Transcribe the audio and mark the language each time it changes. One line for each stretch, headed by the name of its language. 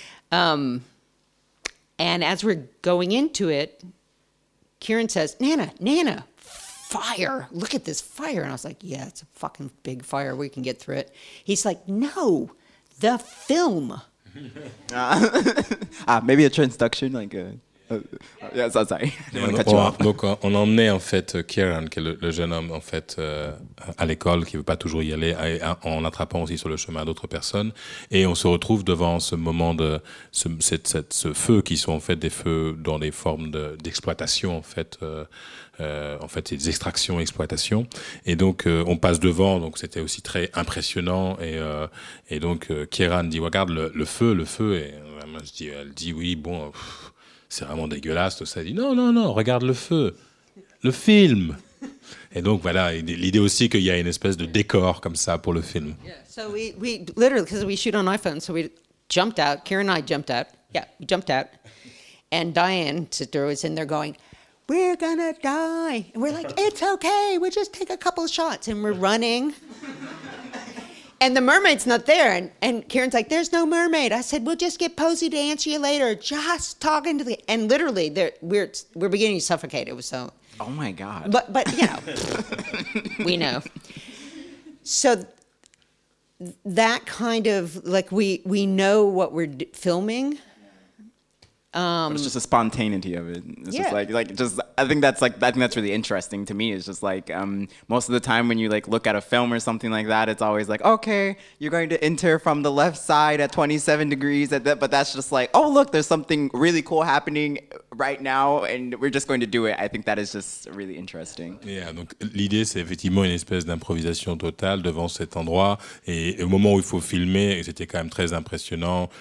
English: And as we're going into it, Kieran says, Nana, fire. Look at this fire. And I was like, yeah, it's a fucking big fire. We can get through it. He's like, no, the film. maybe a transduction, like yeah, sorry.
French: Donc on emmenait en fait Kieran, qui est le jeune homme en fait à l'école, qui veut pas toujours y aller, en attrapant aussi sur le chemin d'autres personnes, et on se retrouve devant ce moment de ce feu qui sont en fait des feux dans des formes d'exploitation en fait. En fait, c'est des extractions, exploitations. Et donc, on passe devant, donc c'était aussi très impressionnant. Et donc, Kieran dit, regarde, le feu. Et elle dit, oui, bon, c'est vraiment dégueulasse. Tout ça. Elle dit, non, regarde le feu, le film. Et donc, voilà, l'idée aussi qu'il y a une espèce de décor comme ça pour le film.
English: Yeah. So we literally, because we shoot on iPhone, so we jumped out. Kieran and I jumped out. Yeah, we jumped out. And Diane, sister, was in there going... We're gonna die. And we're like, it's okay. We'll just take a couple shots. And we're running. And the mermaid's not there. And Kieran's like, there's no mermaid. I said, we'll just get Posey to answer you later. Just talking to the... And literally, we're beginning to suffocate. It was so... Oh, my God. But you know, we know. So that kind of... Like, we know what we're filming... But it's just a spontaneity of it. It's just like I think that's really interesting to me. It's just like most of the time when you like look at a film or something like that, it's always like, okay, you're going to enter from the left side at 27 degrees at that, but that's just like, oh look, there's something really cool happening right now and we're just going to do it. I think that is just really interesting.
French: Yeah, donc l'idée c'est effectivement une espèce d'improvisation totale devant cet endroit et au moment où il faut filmer, et c'était quand même très impressionnant.